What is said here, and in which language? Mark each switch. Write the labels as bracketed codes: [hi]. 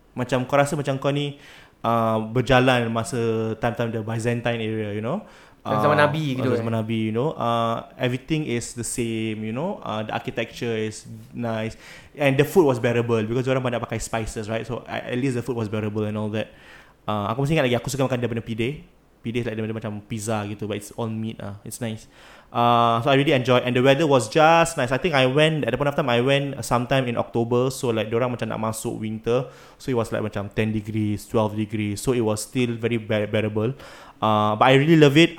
[ms] Macam kau rasa macam kau ni berjalan masa [en] time-time the Byzantine area, you know. [ms] Zaman Nabi gitu. Zaman Nabi, [en] you know. Everything is the same, you know. The architecture is nice. And the food was bearable because [ms] orang banyak pakai [en] spices, right? So at least the food was bearable and all that. [ms] Aku masih ingat lagi, aku suka makan dia benda pide. [en] Pide is like [ms] dia benda macam pizza gitu, [en] but it's all meat. It's nice. So I really enjoy. And the weather was just nice. I think I went, at the point of time, I went sometime in October. So like [ms] diorang macam nak masuk [en] winter. So it was like macam 10 degrees, 12 degrees. So it was still very bearable. But I really love it.